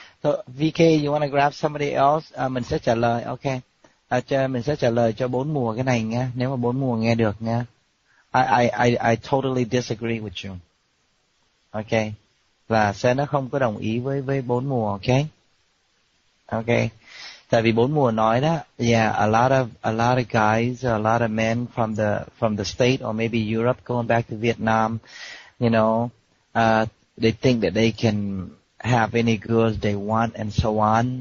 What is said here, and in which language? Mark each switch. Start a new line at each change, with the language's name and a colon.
English: So VK, you want to grab somebody else?
Vietnamese: Mình sẽ trả lời. Okay. Mình sẽ trả lời cho bốn mùa cái này nha. Nếu mà bốn mùa nghe được nha.
English: I totally disagree with you. Okay.
Vietnamese: Và sẽ nó không có đồng ý với bốn mùa.
English: Okay. Okay.
Vietnamese: Tại vì bốn mùa nói đó,
English: yeah, a lot of guys, a lot of men from the state or maybe Europe going back to Vietnam, you know, they think that they can have any girls they want and so on.